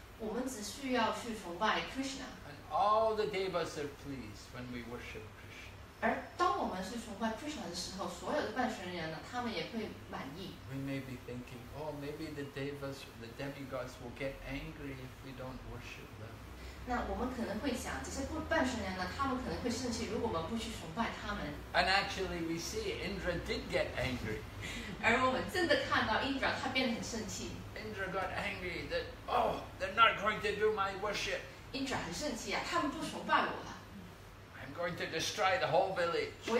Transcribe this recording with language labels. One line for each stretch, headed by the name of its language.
Chinese: 我们只需要去崇拜 Krishna.
English: And all the devas are pleased when we worship Krishna.
Chinese: 而当我们是崇拜 Krishna的时候, 所有的半神人呢, 他们也会满意。
English: We may be thinking, oh, maybe the devas, the demigods will get angry if we don't worship them.
Chinese: 那我们可能会想, 这些半神人呢, 他们可能会生气, 如果我们不去崇拜他们。
English: And actually we see Indra did get angry.
Chinese: 而我们真的看到Indra他变得很生气。
English: Indra got angry that, oh, they're not going to do my worship.
Chinese: Indra很生气啊, 他们不崇拜我了。
English: I'm going to destroy the whole village.